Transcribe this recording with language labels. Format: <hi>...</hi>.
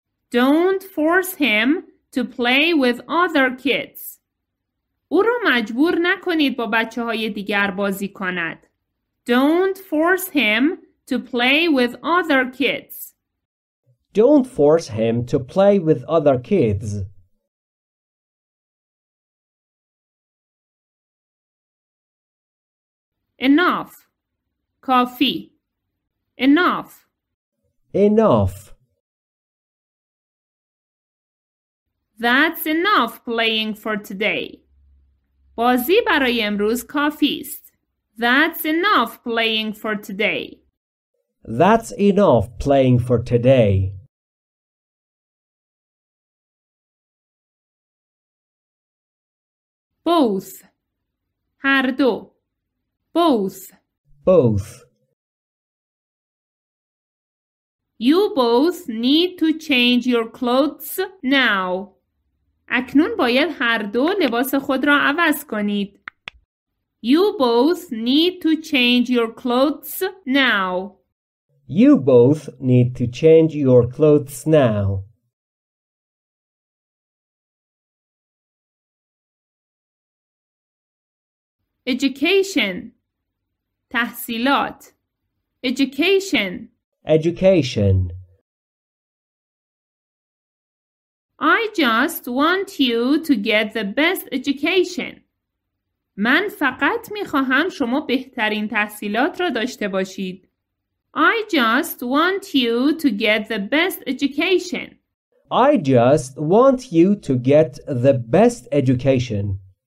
<en>Don't force him to play with other kids.</en> <fa>او را مجبور نکنید با بچه های دیگر بازی کند.</fa> <en>Don't force him to play with other kids. Don't force him to play with other kids. Enough.</en> <fa>کافی.</fa> <en>Enough. Enough. That's enough playing for today.</en> <fa>بازی برای امروز کافی است.</fa> <en>That's enough playing for today. That's enough playing for today. Both.</en> <fa>هر دو.</fa> <en>Both. Both. You both need to change your clothes now.</en> <fa>اکنون باید هر دو لباس خود را عوض کنید.</fa> <en>You both need to change your clothes now. You both need to change your clothes now. Education.</en> <fa>تحصیلات.</fa> <en>Education. Education. I just want you to get the best education.</en> <fa>من فقط میخواهم شما بهترین تحصیلات را داشته باشید.</fa> <en>I just want you to get the best education. I just want you to get the best education.</en>